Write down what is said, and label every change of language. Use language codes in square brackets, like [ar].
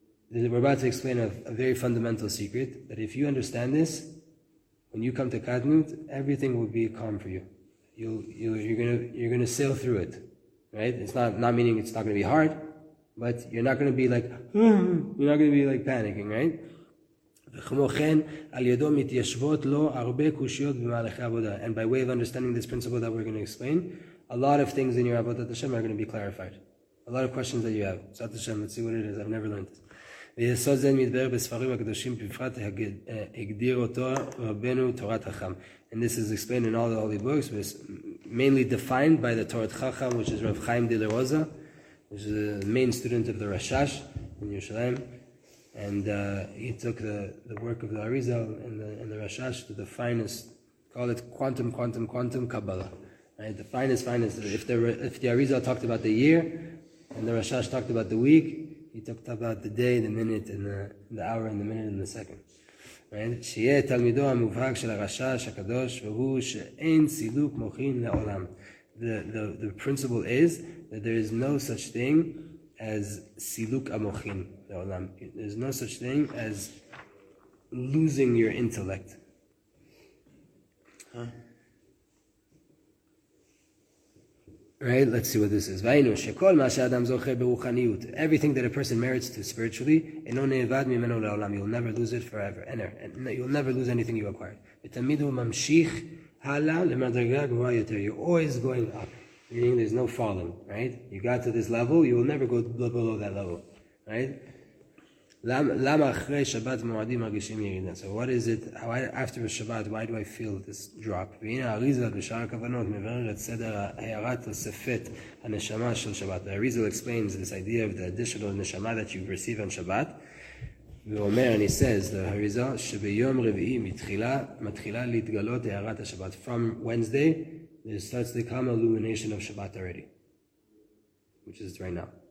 [en] We're about to explain a very fundamental secret, that if you understand this, when you come to katnut, everything will be calm for you. You're gonna sail through it, right? It's not meaning it's not gonna be hard, but you're not gonna be like you're not gonna be like panicking, right? [he] וכמו כן, על ידו מתיישבות לו הרבה קושיות במהלכי עבודה. [en] And by way of understanding this principle that we're gonna explain, a lot of things in your avodat Hashem are gonna be clarified. A lot of questions that you have. So Zat Hashem, let's see what it is. I've never learned this. [he] ויסוד זה מתברר בספרים הקדושים בפרט הגדיר אותו רבנו תורת חכם. [en] And this is explained in all the holy books, but it's mainly defined by the Torah Chacham, which is Rav Chaim de la Rosa, which is the main student of the Rashash in Yerushalayim. And he took the work of the Arizal and the Rashash to the finest, call it quantum Kabbalah. Right? The finest. If the Arizal talked about the year and the Rashash talked about the week, he talked about the day, the minute, and the hour, and the minute, and the second. Right? [he] שיהיה תלמידו המובהק של הרשש הקדוש והוא שאין סילוק מוחין לעולם. [en] The principle is that there is no such thing as [he] סילוק המוחין לעולם. [en] There's no such thing as losing your intellect. Huh? Right? Let's see what this is. [he] והיינו שכל מה שאדם זוכה ברוחניות, [en] everything that a person merits to spiritually, [he] אינו נאבד ממנו לעולם. [en] You'll never lose it forever. You'll never lose anything you acquired. [he] ותמיד הוא ממשיך הלאה למדרגה גבוהה יותר. [en] You're always going up. Meaning there's no falling, right? You got to this level, you will never go below that level, right? [he] למה אחרי שבת מועדים מרגישים ירידה? [en] So what is it? After a Shabbat, why do I feel this drop? [he] והנה אריזל בשאר הכוונות מברר את סדר הערת תוספת הנשמה של שבת. [en] The Arizal explains this idea of the additional neshama that you receive on Shabbat. [he] ואומר, [en] and he says, the Arizal, [he] שביום רביעי מתחילה להתגלות הערת השבת. [en] From Wednesday, there starts to come illumination of Shabbat already, which is right now.